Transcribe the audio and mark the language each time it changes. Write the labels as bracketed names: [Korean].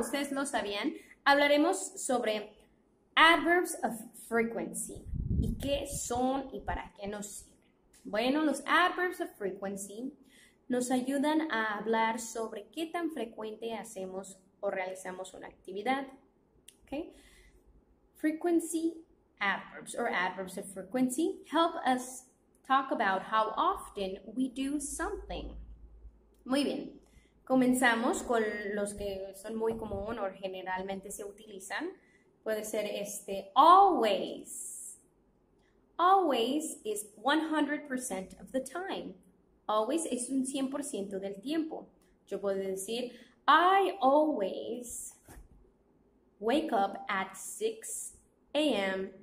[Spanish] Ustedes lo sabían, hablaremos sobre Adverbs of Frequency. ¿Y qué son y para qué nos sirven? Bueno, los Adverbs of Frequency nos ayudan a hablar sobre qué tan frecuente hacemos o realizamos una actividad. [English] ¿Okay? Frequency Adverbs or Adverbs of Frequency help us talk about how often we do something. [Spanish] Muy bien. Comenzamos con los que son muy comunes o generalmente se utilizan. Puede ser este, [English] always. Always is 100% of the time. [Spanish] Always es un 100% del tiempo. Yo puedo decir, [English] I always wake up at 6 a.m.